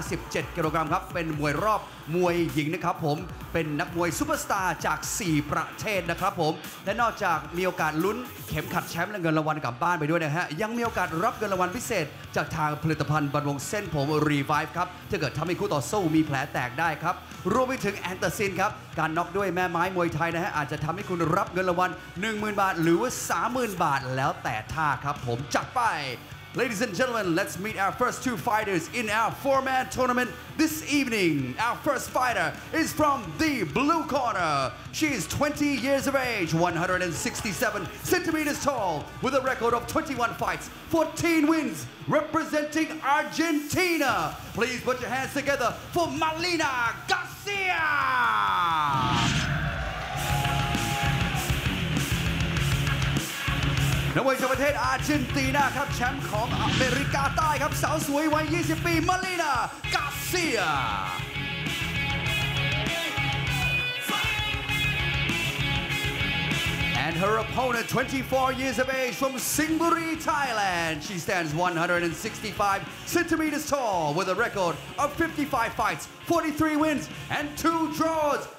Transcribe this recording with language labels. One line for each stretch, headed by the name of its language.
Thai: 57กิโลกรัมครับเป็นมวยรอบมวยหญิงนะครับผมเป็นนักมวยซูเปอร์สตาร์จาก4ประเทศนะครับผมและนอกจากมีโอกาสลุ้นเข็มขัดแชมป์และเงินรางวัลกลับบ้านไปด้วยนะฮะยังมีโอกาสรับเงินรางวัลพิเศษจากทางผลิตภัณฑ์บำรุงเส้นผมรีไวฟ์ครับถ้าเกิดทำให้คู่ต่อสู้มีแผลแตกได้ครับรวมไปถึงแอนตาซินครับการน็อกด้วยแม่ไม้มวยไทยนะฮะอาจจะทำให้คุณรับเงินรางวัล 10,000 บาทหรือว่า 30,000 บาทแล้วแต่ท่าครับผมจัดไป
English: Ladies and gentlemen, let's meet our first two fighters in our four-man tournament this evening. Our first fighter is from the blue corner. She is 20 years of age, 167 centimeters tall, with a record of 21 fights, 14 wins, representing Argentina. Please put your hands together for Malina Garcia.
Thai: นักมวยจากประเทศอาร์เจนตินาครับแชมป์ของอเมริกาใต้ครับสาวสวยวัย20ปีมาลีนากาเซีย
English: And her opponent, 24 years of age, from Singapore, Thailand. She stands 165 centimeters tall with a record of 55 fights, 43 wins, and 2 draws.